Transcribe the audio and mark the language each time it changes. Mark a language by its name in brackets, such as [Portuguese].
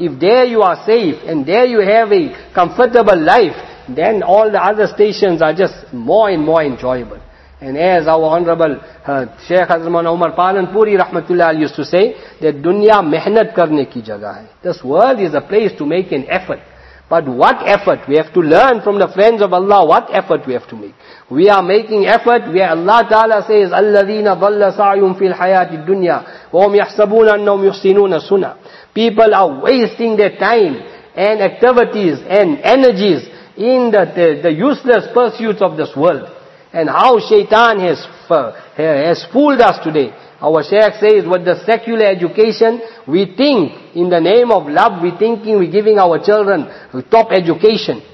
[English] If there you are safe and there you have a comfortable life, then all the other stations are just more and more enjoyable. And as our honorable Sheikh Hazrat Umar Palanpuri rahmatullah used to say, that [Urdu] dunya mehnat karne ki jagah hai. [English] This world is a place to make an effort. But what effort? We have to learn from the friends of Allah what effort we have to make. We are making effort where Allah Ta'ala says, [Arabic] أَلَّذِينَ ضَلَّ سَعْيُمْ فِي الْحَيَاةِ الدُّنْيَا وَهُمْ يَحْسَبُونَ أَنَّهُمْ يُحْسِنُونَ سُنَةً. [English] People are wasting their time and activities and energies in the useless pursuits of this world. And how shaitan has fooled us today. Our Shaykh says, with the secular education, we think in the name of love, we thinking we're giving our children top education.